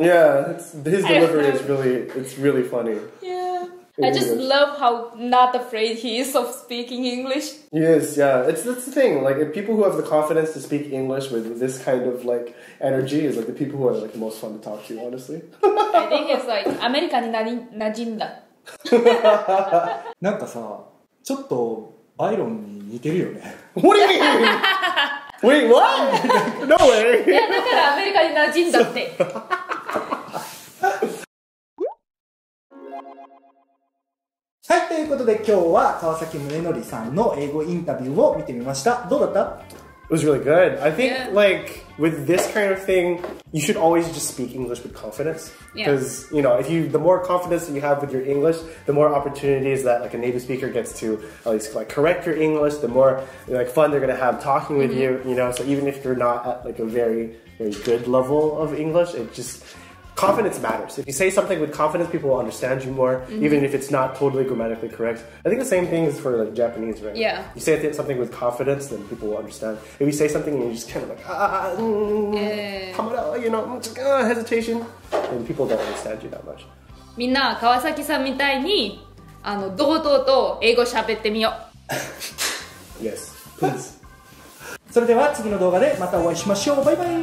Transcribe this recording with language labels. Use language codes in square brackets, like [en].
[en] Yeah, his delivery is really, it's really funny. I just love how not afraid he is of speaking English. Yes, yeah. That's the thing. Like, if people who have the confidence to speak English with this kind of, like, energy is, like, the people who are, like, the most fun to talk to, honestly. I think it's, like, [ja] アメリカに馴染んだ。なんかさ、ちょっとバイロンに似てるよね。 [en] What do you mean? Wait, what? No way! [ja] いや、だからアメリカに馴染んだって。はい、ということで今日は川崎宗則さんの英語インタビューを見てみました。どうだった? [en] It was really good. I think, like, with this kind of thing, you should always just speak English with confidence. Because, you know, the more confidence you have with your English, the more opportunities that, like, a native speaker gets to at least, like, correct your English, the more, like, fun they're going to have talking with you, you know? So even if you're not at, like, a very, very good level of English, it just... Confidence matters. If you say something with confidence, people will understand you more, even if it's not totally grammatically correct. I think the same thing is for like Japanese, right? Yeah. You say something with confidence, then people will understand. If you say something and you're just kind of like, you know, hesitation, then people don't understand you that much. [ja] みんな川崎さんみたいに、あの、堂々と英語喋ってみよう。 [en] Yes, please. [ja] それでは次の動画でまたお会いしましょう。バイバイ。